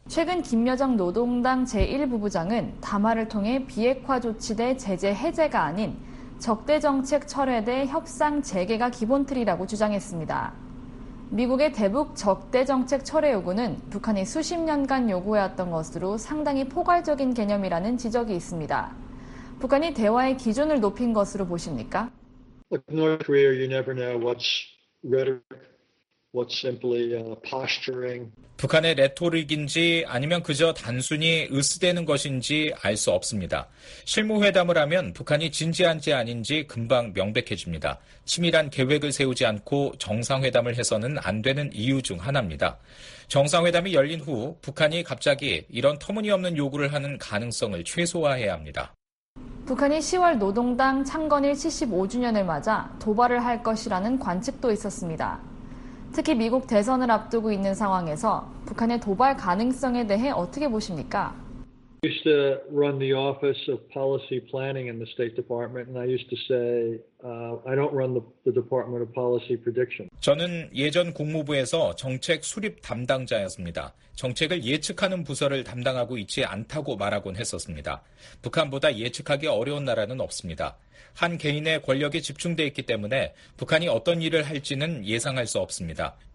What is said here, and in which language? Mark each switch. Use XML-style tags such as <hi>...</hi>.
<ko>최근 김여정 노동당 제1부부장은 담화를 통해 비핵화 조치 대 제재 해제가 아닌 적대 정책 철회 대 협상 재개가 기본 틀이라고 주장했습니다. 미국의 대북 적대 정책 철회 요구는 북한이 수십 년간 요구해왔던 것으로 상당히 포괄적인 개념이라는 지적이 있습니다. 북한이 대화의 기준을 높인 것으로 보십니까?</ko> <en>Look, North Korea, you never know what's rhetoric, what's simply posturing.</en> <ko>북한의 레토릭인지 아니면 그저 단순히 으스대는 것인지 알 수 없습니다. 실무회담을 하면 북한이 진지한지 아닌지 금방 명백해집니다. 치밀한 계획을 세우지 않고 정상회담을 해서는 안 되는 이유 중 하나입니다. 정상회담이 열린 후 북한이 갑자기 이런 터무니없는 요구를 하는 가능성을 최소화해야 합니다. 북한이 10월 노동당 창건일 75주년을 맞아 도발을 할 것이라는 관측도 있었습니다. 특히 미국 대선을 앞두고 있는 상황에서 북한의 도발 가능성에 대해 어떻게 보십니까?</ko> <en>used to run the Office of Policy Planning in the State Department, and I used to say, I don't run the Department of Policy Prediction.</en> <ko>저는 예전 국무부에서 정책 수립 담당자였습니다. 정책을 예측하는 부서를 담당하고 있지 않다고 말하곤 했었습니다. 북한보다 예측하기 어려운 나라는 없습니다. 한 개인의 권력이 집중되어 있기 때문에 북한이 어떤 일을 할지는 예상할 수 없습니다.</ko>